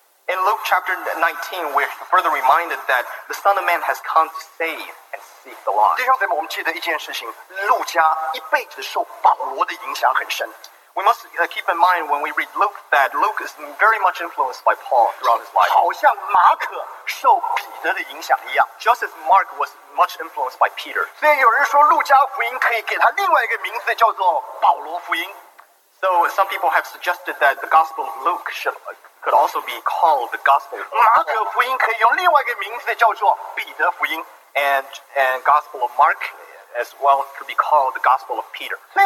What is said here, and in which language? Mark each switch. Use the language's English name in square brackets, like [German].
[English] In Luke chapter 19, we're further reminded that the Son of Man has come to save and seek the lost. [Chinese] 弟兄姊妹，我们记得一件事情，路加一辈子受保罗的影响很深。 [English] We must keep in mind when we read Luke that Luke is very much influenced by Paul throughout his life. [Chinese] 好像马可受彼得的影响一样, [English] just as Mark was much influenced by Peter. [Chinese] 所以有人说路加福音可以给他另外一个名字叫做保罗福音。 [English] So some people have suggested that the Gospel of Luke could also be called the Gospel of Paul. [Chinese] 马可福音可以用另外一个名字叫做彼得福音。 [English] And Gospel of Mark as well could be called the Gospel of Peter.